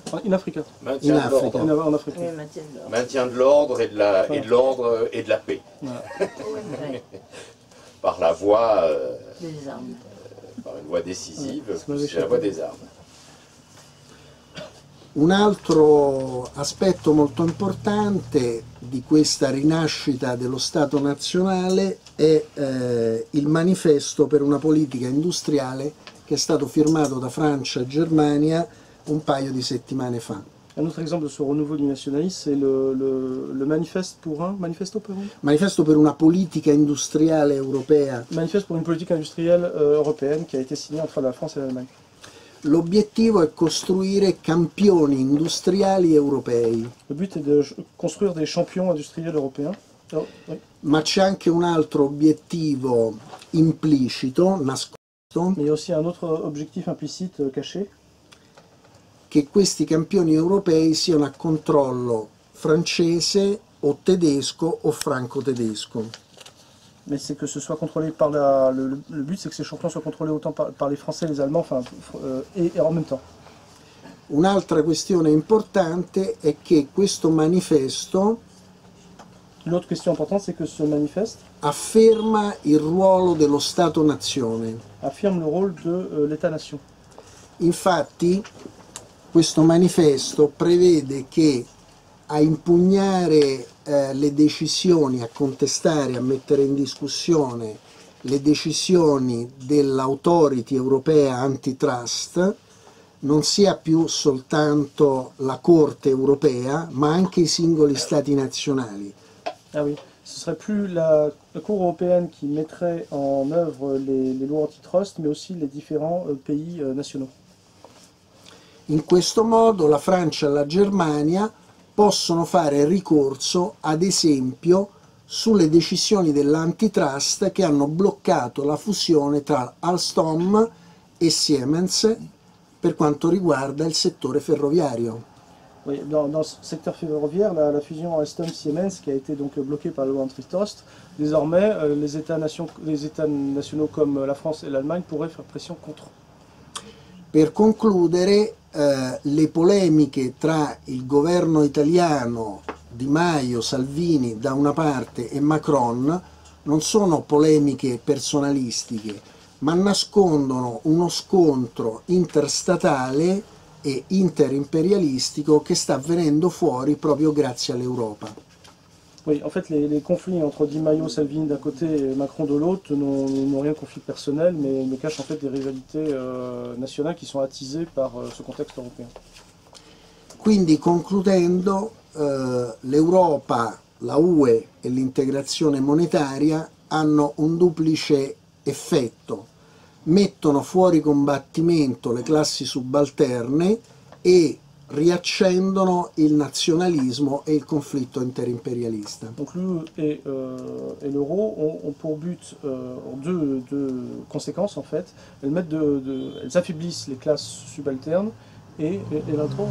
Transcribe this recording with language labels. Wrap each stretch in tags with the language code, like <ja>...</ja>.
<en>In Africa.</en> <fr>Maintien</fr> <en>in</en> <fr>de l'ordre. In, en Afrique. Oui, maintien, de l'ordre. Maintien de l'ordre et de la, enfin. Et de l'ordre et de la paix. Ouais. Par la voie. Des armes. Par une voie décisive, c'est la voie des armes.</fr> <it>Un altro aspetto molto importante di questa rinascita dello Stato nazionale è il manifesto per una politica industriale che è stato firmato da Francia e Germania un paio di settimane fa. Un altro esempio del rinnovo del nazionalismo è il manifesto per un manifesto per un manifesto per una politica industriale europea. Manifesto per una politica industriale europea che è stato firmato tra la Francia e l'Allemagne. L'obiettivo è costruire campioni industriali europei. L'obiettivo è di costruire dei campioni industriali europei.</it> <fr>Oh, oui.</fr> <it>Ma c'è anche un altro obiettivo implicito, nascosto. Ma c'è anche un altro obiettivo implicito, caché. Che questi campioni europei siano a controllo francese o tedesco o franco-tedesco.</it> <fr>Mais c'est que ce soit contrôlé par la le but c'est que ces champions soient contrôlés autant par les Français les Allemands enfin et en même temps.</fr> <it>Un'altra questione importante è che questo manifesto.</it> <fr>L'autre question importante c'est que ce manifeste</fr> <it>affirma il ruolo dello Stato-nazione.</it> <fr>Affirme le rôle de l'État-nation.</fr> <it>Infatti questo manifesto prevede che a impugnare le decisioni, a contestare, a mettere in discussione le decisioni dell'autority europea antitrust, non sia più soltanto la Corte europea, ma anche i singoli stati nazionali.</it> <fr>Ah oui, ce serait plus la Cour européenne qui mettrait en œuvre les lois antitrust, mais aussi les différents pays nationaux.</fr> <it>In questo modo la Francia e la Germania possono fare ricorso, ad esempio, sulle decisioni dell'antitrust che hanno bloccato la fusione tra Alstom e Siemens per quanto riguarda il settore ferroviario.</it> <fr>Oui, dans le secteur ferroviario, la fusion Alstom-Siemens,</fr> <it>che ha</it> <fr>été donc bloquée par la loi antitrust, désormais, les États nationaux comme la France et l'Allemagne pourraient faire pression contre.</fr> <it>Per concludere, le polemiche tra il governo italiano Di Maio, Salvini da una parte e Macron non sono polemiche personalistiche, ma nascondono uno scontro interstatale e interimperialistico che sta venendo fuori proprio grazie all'Europa.</it> <fr>Oui, en fait, les conflits entre Di Maio, Salvini d'un côté et Macron de l'autre n'ont rien de conflit personnel, mais ils cachent en fait des rivalités nationales qui sont attisées par ce contexte européen.</fr> <it>Quindi, concludendo, l'Europa, la UE e l'integrazione monetaria hanno un duplice effetto. Mettono fuori combattimento le classi subalterne e riaccendono il nazionalismo e il conflitto interimperialista.</it> <fr>Donc l'UE et l'euro ont pour but deux conséquences en fait. Elles affaiblissent les classes subalternes et l'intro.</fr>